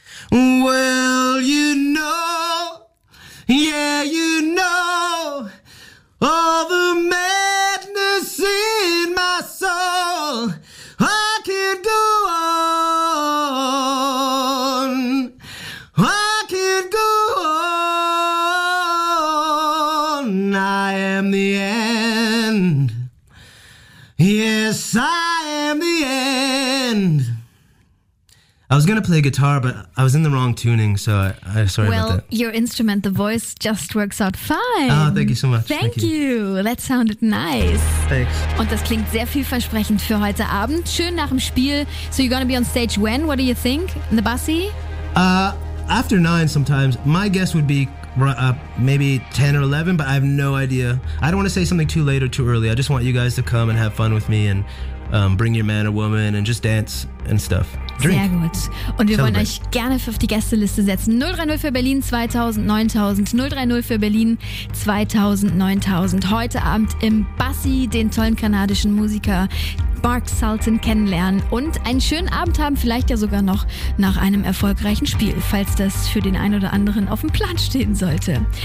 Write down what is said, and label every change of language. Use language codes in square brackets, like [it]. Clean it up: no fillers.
[en] Well, you know, yeah, you know, all the madness in my soul, I can't go on, I can't go on, I am the end, yes, I am the end. I was going to play guitar, but I was in the wrong tuning, so I'm sorry well, about that. Well, your instrument, the voice, just works out fine. Oh, thank you so much. Thank you. That sounded nice. Thanks. [de] Und das klingt sehr vielversprechend für heute Abend. Schön nach dem Spiel. [en] So you're going to be on stage when? What do you think? In the bussy? After 9 sometimes. My guess would be maybe 10 or 11, but I have no idea. I don't want to say something too late or too early. I just want you guys to come and have fun with me and bring your man or woman and just dance and stuff. Drink. [de] Sehr gut. Und wir wollen euch gerne auf die Gästeliste setzen. 030 für Berlin 2000, 9000. 030 für Berlin 2000, 9000. Heute Abend im Bussy den tollen kanadischen Musiker Mark Sultan kennenlernen und einen schönen Abend haben, vielleicht ja sogar noch nach einem erfolgreichen Spiel, falls das für den einen oder anderen auf dem Plan stehen sollte.